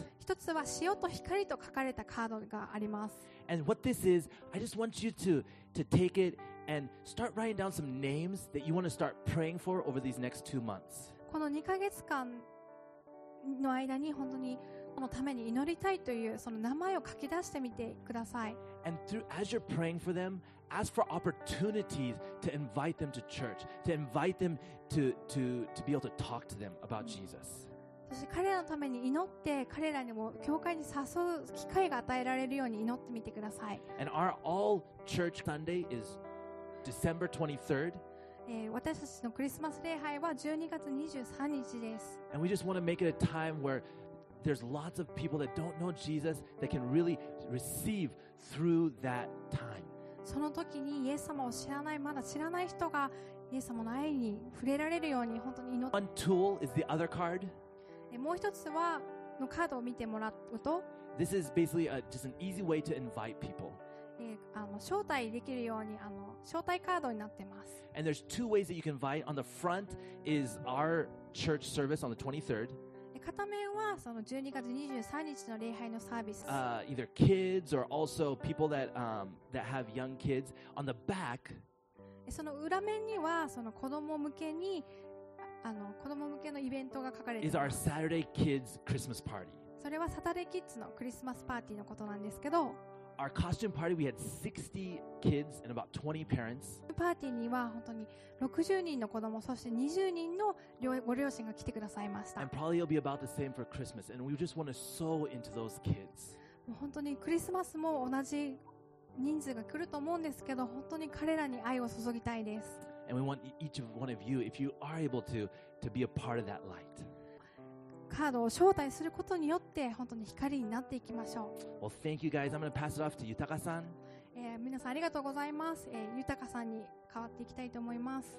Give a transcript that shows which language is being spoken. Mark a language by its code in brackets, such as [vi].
[ja] 一つは塩と光と書かれたカードがあります。 [en] And what this is, I just want you to take it and start writing down some names that you want to start praying for over these next 2 months. [ja] この2ヶ月間の間に本当にこのために祈りたいというその名前を書き出してみてください。 [en] And through, as you're praying for them, ask for opportunities to invite them to church, to invite them to be able to talk to them about Jesus. [ja] そして彼らのために祈って彼らにも教会に誘う機会が与えられるように祈ってみてください。 [en] And our all church Sunday is December 23rd. [ja] 私たちのクリスマス礼拝は12月23日です。 [en] And we just want to make it a time where there's lots of people that don't know Jesus that can really receive through that time. [ja] その時にイエス様を知らないまだ知らない人がイエス様の愛に触れられるように本当に祈って。 [en] One tool is the other card. [ja] もう一つはのカードを見てもらうと。 [en] This is basically just an easy way to invite people. [ja] 招待できるように招待カードになってます。 [en] And there's two ways that you can invite. On the front is our church service on the 23rd. [ja] 片面はその12月23日の礼拝のサービス。 [en] Either kids or also people that that have young kids. On the back, [ja] その裏面にはその子供向けに子供向けのイベントが書かれています [en] Is our Saturday Kids Christmas Party. [ja] それはサタデーキッズのクリスマスパーティーのことなんですけど。 [en] Our costume party, we had 60 kids and about 20 parents. [ja] パーティーには本当に60人の子供そして20人のご両親が来てくださいました。 [en] And probably it'll be about the same for Christmas. And we just want to sow into those kids. [ja] 本当にクリスマスも同じ人数が来ると思うんですけど、本当に彼らに愛を注ぎたいです。 [en] And we want each one of you, if you are able to be a part of that light. [ja] カードを招待することによって本当に光になっていきましょう。 [en] Well, thank you guys. I'm going to pass it off to Yutaka-san. [ja] 皆さんありがとうございます。Yutaka-san に代わっていきたいと思います。